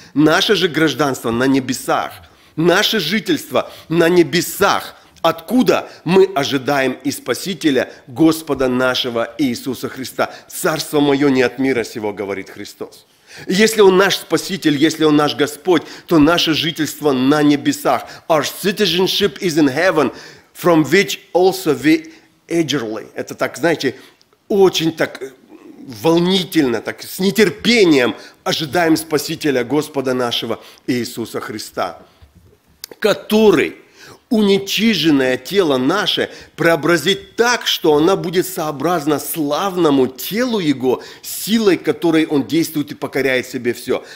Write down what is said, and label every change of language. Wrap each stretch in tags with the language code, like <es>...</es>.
<ru>Наше же гражданство на небесах. Наше жительство на небесах. Откуда мы ожидаем и Спасителя, Господа нашего Иисуса Христа. Царство мое не от мира сего, говорит Христос. Если Он наш Спаситель, если Он наш Господь, то наше жительство на небесах.</ru> <en>Our citizenship is in heaven. From which also we eagerly.</en> <ru>Это так, знаете, очень так волнительно, так с нетерпением ожидаем Спасителя Господа нашего Иисуса Христа, который уничиженное тело наше преобразит так, что оно будет сообразно славному телу Его, силой которой Он действует и покоряет себе все.</ru>